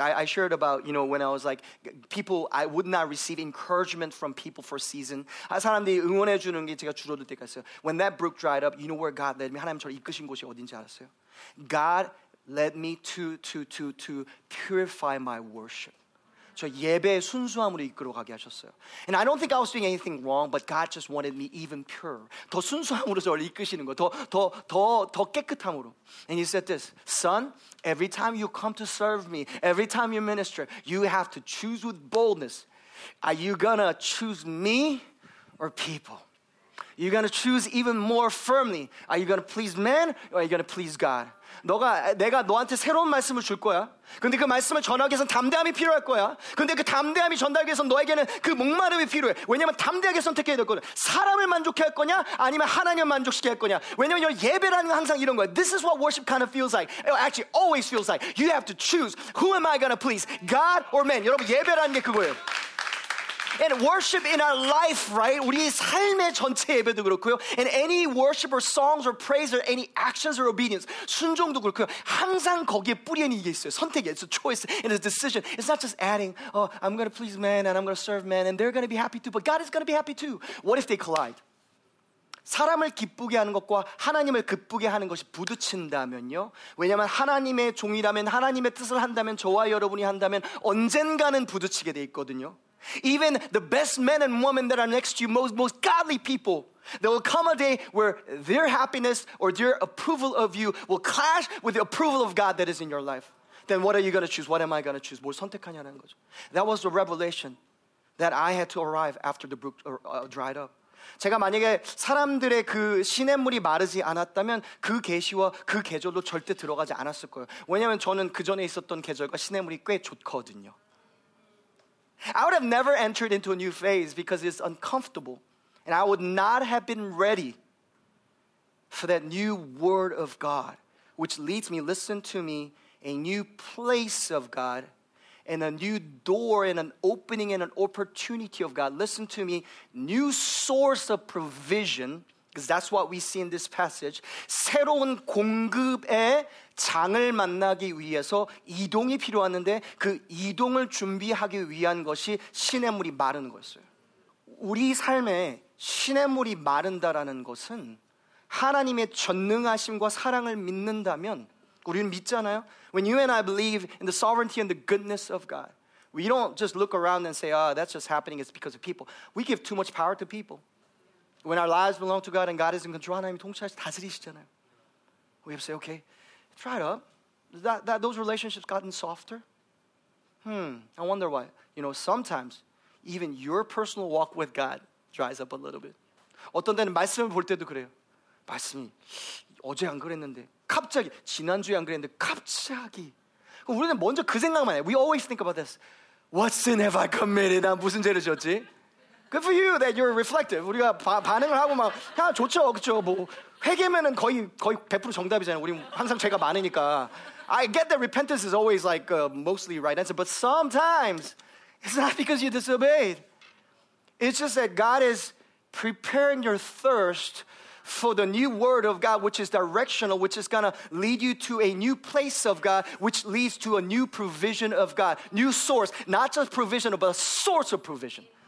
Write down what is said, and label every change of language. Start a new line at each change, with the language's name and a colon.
English: I shared about, you know, when I was like, people, I would not receive encouragement from people for a season.
Korean: 사람들이 응원해 주는 게 제가 줄어들 때가 있어요.
English: When that brook dried up, you know where God led me?
Korean: 하나님 저를 이끄신 곳이 어딘지 알았어요?
English: God led me to purify my worship.
Korean: 저 예배의 순수함으로 이끌어 가게 하셨어요.
English: And I don't think I was doing anything wrong, but God just wanted me even pure.
Korean: 더 순수함으로 저를 이끄시는 거예요. 더 깨끗함으로.
English: And he said this, son, every time you come to serve me, every time you minister, you have to choose with boldness. Are you gonna choose me or people? You're gonna choose even more firmly. Are you gonna please men or are you gonna please God?
Korean: 내가 너한테 새로운 말씀을 줄 거야. 근데 그 말씀을 전하기 위해서는 담대함이 필요할 거야. 근데 그 담대함이 전달하기 위해서는 너에게는 그 목마름이 필요해. 왜냐면 담대하게 선택해야 될 거야. 사람을 만족해야 할 거냐? 아니면 하나님을 만족시켜야 할 거냐? 왜냐면 예배라는 건 항상 이런 거야.
English: This is what worship kind of feels like. Actually, always feels like. You have to choose. Who am I gonna please? God or man?
Korean: 여러분, 예배라는 게 그거예요.
English: And worship in our life, right?
Korean: 우리 삶의 전체 예배도 그렇고요.
English: And any worship or songs or praise or any actions or obedience,
Korean: 순종도 그렇고요. 항상 거기에 뿌리는 이게 있어요. 선택이에요.
English: It's a choice and a decision. It's not just adding, oh, I'm going to please men and I'm going to serve men and they're going to be happy too, but God is going to be happy too. What if they collide?
Korean: 사람을 기쁘게 하는 것과 하나님을 기쁘게 하는 것이 부딪힌다면요. 왜냐하면 하나님의 종이라면 하나님의 뜻을 한다면 저와 여러분이 한다면 언젠가는 부딪히게 돼 있거든요.
English: Even the best men and women that are next to you, most godly people, there will come a day where their happiness or their approval of you will clash with the approval of God that is in your life. Then what are you going to choose? What am I going to choose?
Korean: 뭘 선택하냐는 거죠.
English: That was the revelation that I had to arrive after the brook dried up.
Korean: 제가 만약에 사람들의 그 시냇물이 마르지 않았다면 그 계시와 그 계절로 절대 들어가지 않았을 거예요. 왜냐하면 저는 그 전에 있었던 계절과 시냇물이 꽤 좋거든요.
English: I would have never entered into a new phase because it's uncomfortable. And I would not have been ready for that new word of God, which leads me, listen to me, a new place of God. And a new door and an opening and an opportunity of God. Listen to me. New source of provision. Because that's what we see in this passage.
Korean: 새로운 공급의 장을 만나기 위해서 이동이 필요한데 그 이동을 준비하기 위한 것이 시냇물이 마르는 거였어요. 우리 삶에 시냇물이 마른다라는 것은 하나님의 전능하심과 사랑을 믿는다면 우리는 믿잖아요.
English: When you and I believe in the sovereignty and the goodness of God, we don't just look around and say, oh, that's just happening, it's because of people. We give too much power to people. When our lives belong to God and God is in control,
Korean: 하나님 통치하시고 다스리시잖아요.
English: We have to say, okay, try it up. Those relationships gotten softer? I wonder why. You know, sometimes even your personal walk with God dries up a little bit.
Korean: 어떤 때는 말씀을 볼 때도 그래요. 말씀이 어제 안 그랬는데 갑자기 지난주에 안 그랬는데 갑자기 우리는 먼저 그 생각만 해.
English: We always think about this. What sin have I committed?
Korean: 난 무슨 죄를 지었지?
English: Good for you that you're reflective.
Korean: 우리가 반응을 하고 막 야 좋죠. 그렇죠. 뭐 회개면은 거의 100% 정답이잖아요. 우리 항상 죄가 많으니까.
English: I get that repentance is always like mostly right answer, but sometimes it's not because you disobeyed. It's just that God is preparing your thirst for the new word of God, which is directional, which is gonna lead you to a new place of God, which leads to a new provision of God, new source, not just provision, but a source of provision.